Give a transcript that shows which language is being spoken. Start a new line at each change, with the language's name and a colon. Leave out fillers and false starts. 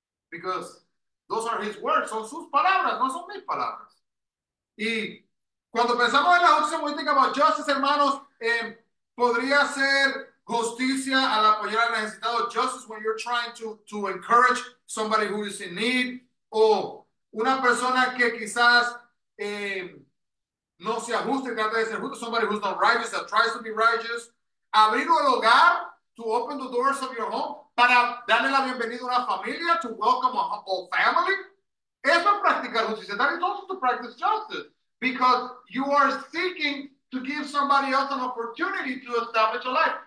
English: Because those are his words.
Spanish: Son sus palabras, no son mis palabras. Y cuando pensamos en la justicia,
English: we think about justice,
Spanish: hermanos, podría ser justicia al apoyar al necesitado.
English: Justice when you're trying to encourage somebody who is in need.
Spanish: O una persona que quizás no se ajuste, trata de ser justo.
English: Somebody who's not righteous, that tries to be righteous.
Spanish: Abrir un hogar,
English: to open the doors of your home,
Spanish: para darle la bienvenida a una familia,
English: to welcome a whole family.
Spanish: Eso es practicar justicia.
English: That is also to practice justice. Because you are seeking to give somebody else an opportunity to establish a life.